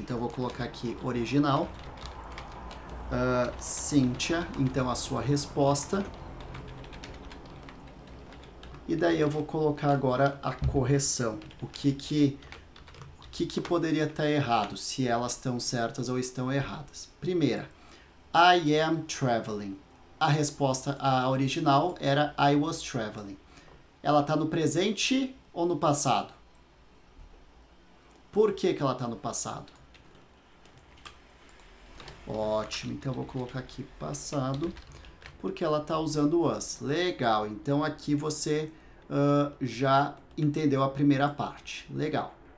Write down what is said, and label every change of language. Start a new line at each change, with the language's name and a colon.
Portuguese: Então eu vou colocar aqui original. Cíntia, então a sua resposta. E daí eu vou colocar agora a correção. O que que poderia estar errado, se elas estão certas ou estão erradas? Primeira,
English: I am traveling.
Portuguese: A resposta, a original, era
English: I was traveling.
Portuguese: Ela está no presente ou no passado? Por que que ela está no passado? Ótimo, então eu vou colocar aqui passado, porque ela está usando was. Legal, então aqui você já entendeu a primeira parte. Legal.